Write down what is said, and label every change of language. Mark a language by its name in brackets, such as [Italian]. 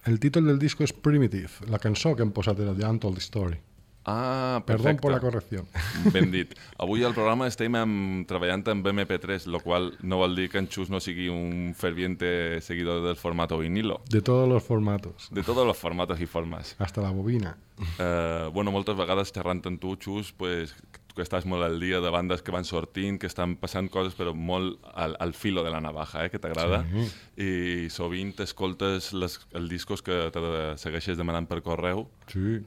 [Catalan] El títol del disco és Primitive, la cançó que hem posat era The Untold Story. Ah, perfecte. [Spanish] Perdón por la corrección. [Catalan] Ben dit. Avui al programa estem treballant amb MP3, lo qual no vol dir que en Chus no sigui un [Spanish] ferviente seguidor del formato vinilo. De todos los formatos. De todos los formatos y formas. Hasta la bobina. [Catalan] Bueno, moltes vegades xerrant amb tu, Chus, pues, que estàs molt al dia de bandes que van sortint, que estan passant coses, però molt [Spanish] al filo de la navaja, [Catalan] que t'agrada. Sí. I sovint escoltes els discos que te segueixes demanant per correu, sí.